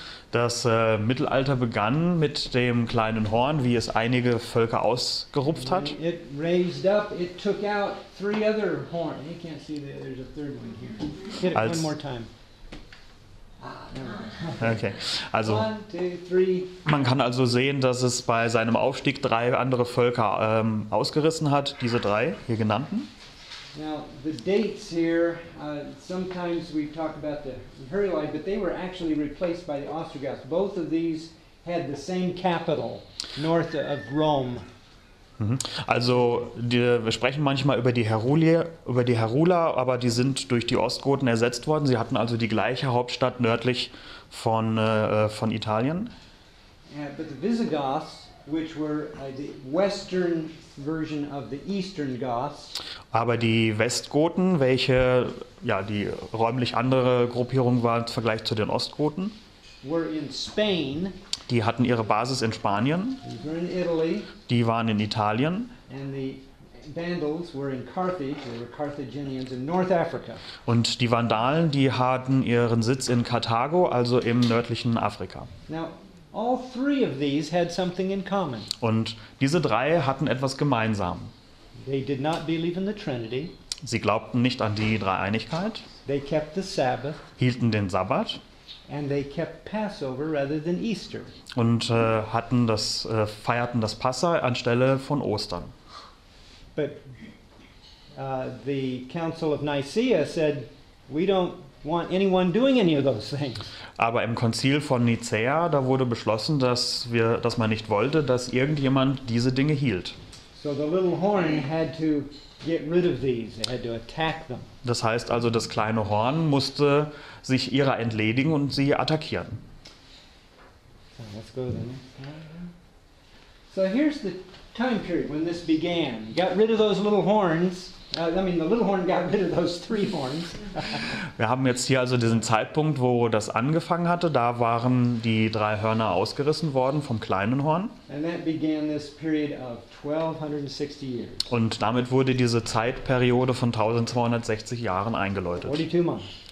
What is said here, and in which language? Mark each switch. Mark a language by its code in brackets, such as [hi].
[de] Das Mittelalter begann mit dem kleinen Horn, wie es einige Völker ausgerupft hat. [en] It raised up, it took out three other horns. You can't see that there's a third one here. Hit it one more time. [de] Okay, also [en] one, two, three. [de] Man kann also sehen, dass es bei seinem Aufstieg drei andere Völker ausgerissen hat, diese drei hier genannten. [en] Now the dates here, sometimes we talk about the Heruli, but they were actually replaced by the Ostrogoths. Both of these had the same capital, north of Rome. [de] Also wir sprechen manchmal über die Heruli, über die Herula, aber die sind durch die Ostgoten ersetzt worden. Sie hatten also die gleiche Hauptstadt nördlich von Italien. [en] Yeah, but the Visigoths, which were the western version of the eastern Goths. [de] Aber die Westgoten, welche ja die räumlich andere Gruppierung war im Vergleich zu den Ostgoten, [en] were in Spain. [de] Die hatten ihre Basis in Spanien. [en] In Italy. [de] Die waren in Italien. [en] And the Vandals were in Carthage. They were Carthaginians in North Africa. [de] Und die Vandalen, die hatten ihren Sitz in Karthago, also im nördlichen Afrika. [en] Now, all three of these had something in common. [de] Und diese drei hatten etwas gemeinsam. [en] They did not believe in the Trinity. [de] Sie glaubten nicht an die Dreieinigkeit. [en] They kept the Sabbath. [de] Hielten den Sabbat. [en] And they kept Passover rather than Easter. [de] Und feierten das Passa anstelle von Ostern. [en] But the Council of Nicaea said, we don't want anyone doing any of those things. [de] Aber im Konzil von Nicea, da wurde beschlossen, dass man nicht wollte, dass irgendjemand diese Dinge hielt. [en] So the little horn had to get rid of these. It had to attack them. [de] Das heißt also, das kleine Horn musste sich ihrer entledigen und sie attackieren. [en] So, let's go to the next one. So here's the time period when this began. Got rid of those little horns. The little horn got rid of those three horns. [de] Wir haben jetzt hier also diesen Zeitpunkt, wo das angefangen hatte. Da waren die drei Hörner ausgerissen worden vom kleinen Horn. [en] And that began this period of 1260 years. [de] Und damit wurde diese Zeitperiode von 1260 Jahren eingeläutet. [en] 42 months.